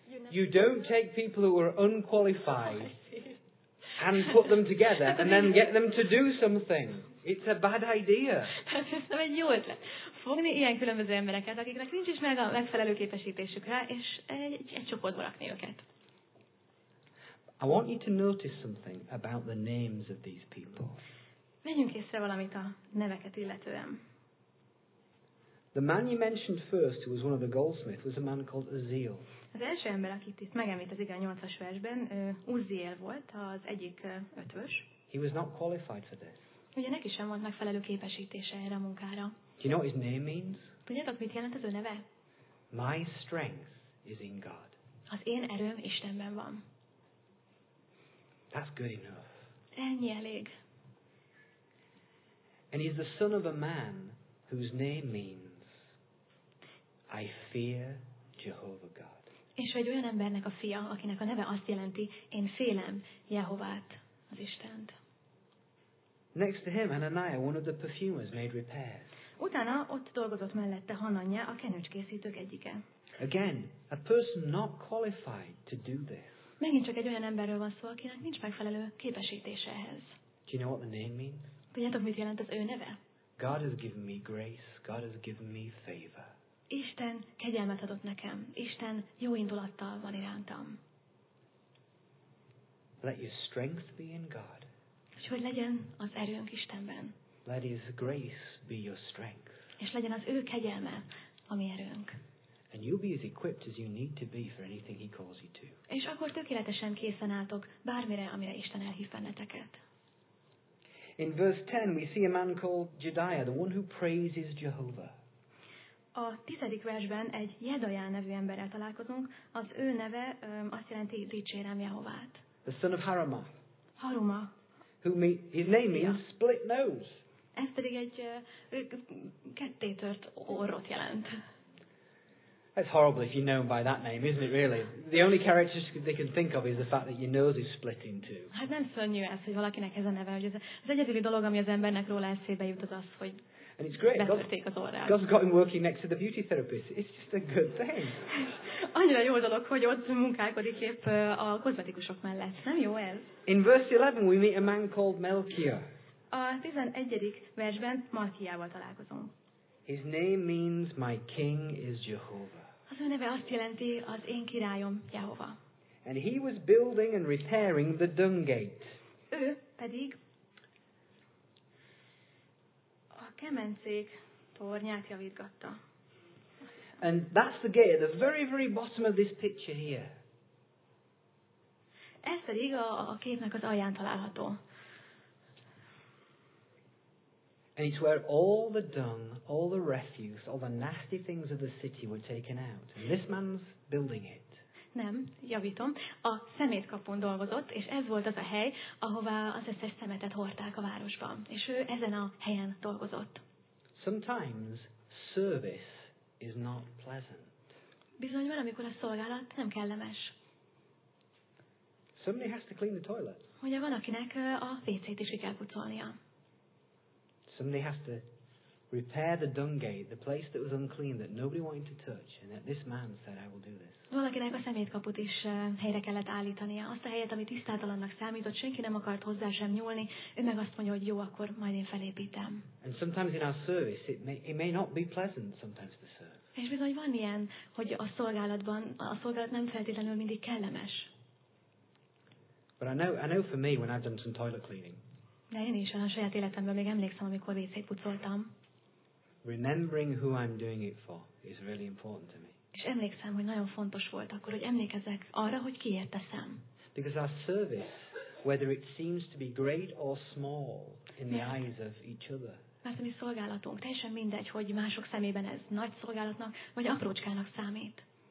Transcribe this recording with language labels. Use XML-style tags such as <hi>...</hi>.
<en>You don't take people who are unqualified and put them together and then get them to do something. It's a bad idea.</en> <hu>Ez nem egy jó ötlet. Fogni ilyen különböző embereket, akiknek nincs is meg a megfelelő képesítésük rá, és egy csoportba rakni őket.</hu> <en>I want you to notice something about the names of these people.</en> <hu>Menjünk észre valamit a neveket illetően.</hu> <en>The man you mentioned first, who was one of the goldsmiths, was a man called Azeel.</en> <hu>Az első ember, akit itt megemlítettek a 8-as versben, Uzziel volt, az egyik ötvös.</hu> <en>He was not qualified for this.</en> <hu>Ugye neki sem volt megfelelő képesítése erre a munkára.</hu> <en>Do you know what his name means?</en> <hu>Tudjátok, mit jelent az ő neve?</hu> <en>My strength is in God.</en> <hu>Az én erőm Istenben van.</hu> <en>That's good enough.</en> <hu>Ennyi elég.</hu> <en>And he's the son of a man whose name means I fear Jehovah God.</en> <hu>És egy olyan embernek a fia, akinek a neve azt jelenti, én félem Jehovát, az Istent.</hu> <en>Next to him, Hananiah, one of the perfumers, made repairs.</en> <hu>Utána ott dolgozott mellette Hananya, a kenőcskészítők egyike.</hu> <en>Again, a person not qualified to do this.</en> <hu>Megint csak egy olyan emberről van szó, akinek nincs megfelelő képesítése ehhez.</hu> <en>Do you know what the name means?</en> <hu>Tudjátok, mit jelent az ő neve?</hu> <en>God has given me grace, God has given me favor.</en> <hu>Isten kegyelmet adott nekem, Isten jó indulattal van irántam.</hu> <en>Let your strength be in God.</en> <hu>És hogy legyen az erőnk Istenben.</hu> <en>Let his grace be your strength.</en> <hu>És legyen az ő kegyelme a mi erőnk.</hu> <en>And you'll be as equipped as you need to be for anything he calls you to.</en> <hu>És akkor tökéletesen készen álltok bármire, amire Isten elhív benneteket.</hu> <en>In verse 10 we see a man called Jediah, the one who praises Jehovah.</en> <hu>A 10. versben egy Jedaja nevű emberrel találkozunk. Az ő neve azt jelenti dicsérem Jehovát.</hu> <en>The son of Haruma.</en> <hu>Haruma.</hu> <en>His name means split nose.</en> <hu>Ez pedig egy kettétört orrot jelent.</hu> <en>That's horrible if you know him by that name, isn't it really? The only characteristic they can think of is the fact that your nose is split in two.</en> <hu>Hát nem szörnyű ez, hogy valakinek ez a neve, hogy az egyedüli dolog, ami az embernek róla eszébe jut, az az, hogy</hu> <en>and it's great. God's got him working next to the beauty therapist. It's just a good thing.</en> <hu>Annyira jó dolog, hogy ott munkálkodik épp a kozmetikusok mellett. Nem jó ez?</hu> <en>In verse 11 we meet a man called Melchior.</en> <hu>A 11. versben Malkiával találkozunk.</hu> <en>His name means my king is Jehovah.</en> <hu>Az ő neve azt jelenti, az én királyom Jehova.</hu> <en>And he was building and repairing the dung gate.</en> <hu>Ő pedig kemencék tornyát javítgatta.</hu> <en>And that's the gate at the very, very bottom of this picture here.</en> <hu>Ez pedig a képnek az alján található.</hu> <en>And it's where all the dung, all the refuse, all the nasty things of the city were taken out. And this man's building it.</en> <hu>Nem, javítom. A szemétkapun dolgozott, és ez volt az a hely, ahová az összes szemetet hordták a városban. És ő ezen a helyen dolgozott.</hu> <en>Sometimes service is not pleasant.</en> <hu>Bizony van, amikor a szolgálat nem kellemes.</hu> <en>Somebody has to clean the toilet.</en> <hu>Ugye van, akinek a WC-t is kell pucolnia.</hu> <en>Somebody has to repair the dung gate, the place that was unclean, that nobody wanted to touch, and that this man said, I will do this.</en> <hu>Valakinek a szemétkaput is helyre kellett állítania. Azt a helyet, ami tisztátalannak számított, senki nem akart hozzá sem nyúlni, ő meg azt mondja, hogy jó, akkor majd én felépítem.</hu> <en>And sometimes in our service, it may not be pleasant sometimes to serve.</en> <hu>És bizony van ilyen, hogy a szolgálatban, a szolgálat nem feltétlenül mindig kellemes.</hu> <en>But I know for me, when I've done some toilet cleaning,</en> <hu>de én is a saját életemben még emlékszem, amikor WC-t pucoltam.</hu> <en>Remembering who I'm doing it for is really important to me.</en> <hu>És emlékszem, hogy nagyon fontos volt akkor, hogy emlékezek arra, hogy kiért teszem.</hu> <en>Because our service, whether it seems to be great or small in the eyes of each other.</en> <hu>Mert a mi szolgálatunk, teljesen mindegy, hogy mások szemében ez nagy szolgálatnak vagy aprócskának számít.</hu>